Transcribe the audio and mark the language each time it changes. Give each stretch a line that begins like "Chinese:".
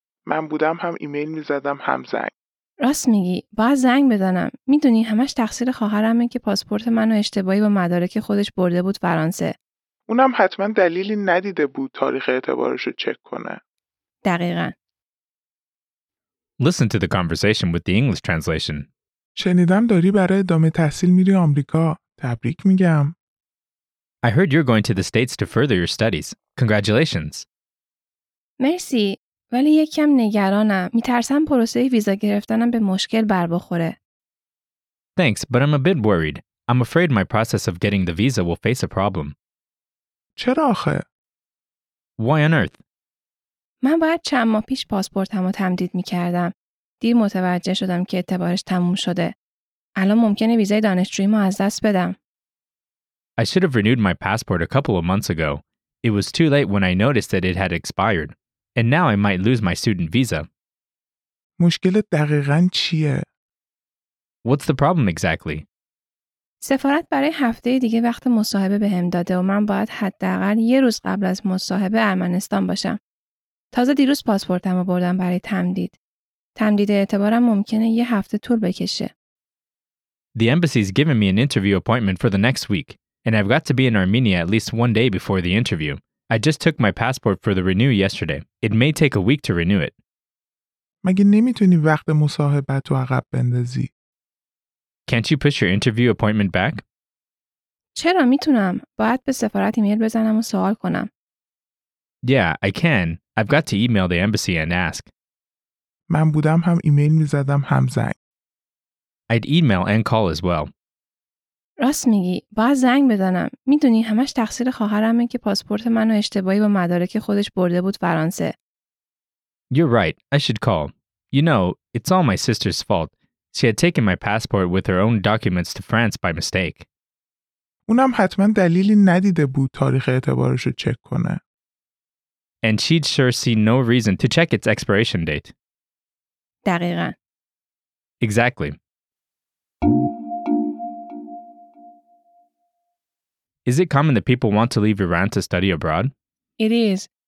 Persian: من بودم هم ایمیل میزدم هم زنگ. راست میگی، باید زنگ بزنم. میدونی همش تقصیر خواهرمه که پاسپورت منو اشتباهی با مدارک خودش برده بود فرانسه. اونم حتما دلیلی ندیده بود تاریخ اعتبارشو چک کنه. دقیقاً.
English: Listen to the conversation with the English translation.
Persian: شنیدم داری برای ادامه تحصیل میری آمریکا. تبریک میگم.
English: I heard you're going to the States to further your studies. Congratulations.
Persian: مرسی. ولی یکم نگرانم. میترسم پروسه ویزا گرفتنم به مشکل بر بخوره.
English: Thanks, but I'm a bit worried. I'm afraid my process of getting the visa will face a problem.
Persian: چرا آخه؟
English: Why on earth?
Persian: من باید چند ماه پیش پاسپورتمو تمدید میکردم. دیر متوجه شدم که اعتبارش تموم شده. الان ممکنه ویزای دانشجوییمو از دست بدم.
English: I should have renewed my passport a couple of months ago. It was too late when I noticed that it had expired. And now I might lose my student visa.
Persian: مشکل دقیقاً چیه؟
English: What's the problem exactly?
Persian: سفارت برای هفته دیگه وقت مصاحبه بهم داده و من باید حداقل یه روز قبل از مصاحبه ارمنستان باشم. تازه دیروز پاسپورتمو بردم برای تمدید. تمدید اعتبارم ممکنه یه هفته طول بکشه.
English: The embassy's given me an interview appointment for the next week, and I've got to be in Armenia at least one day before the interview. I just took my passport for the renew yesterday. It may take a week to renew it.
Persian: مگه نمیتونی وقت مصاحبت رو عقب بندازی؟
English: Can't you push your interview appointment back?
Persian: چرا میتونم؟ باید به سفارت ایمیل بزنم و سوال کنم.
English: Yeah, I can. I've got to email the embassy and ask.
Persian: من بودم هم ایمیل میزدم هم زنگ.
English: I'd email and call as well.
Persian: راست میگی، باید زنگ بزنم. میدونی همش تقصیر خواهرمه که پاسپورت منو اشتباهی با مدارک خودش برده بود فرانسه.
English: You're right. I should call. You know, it's all my sister's fault. She had taken my passport with her own documents to France by mistake.
Persian: اونم حتما دلیلی ندیده بود تاریخ اعتبارشو چک کنه.
English: And she'd sure see no reason to check its expiration date.
Persian: دقیقاً.
English: Exactly. Is it common that people want to leave Iran to study abroad? It is.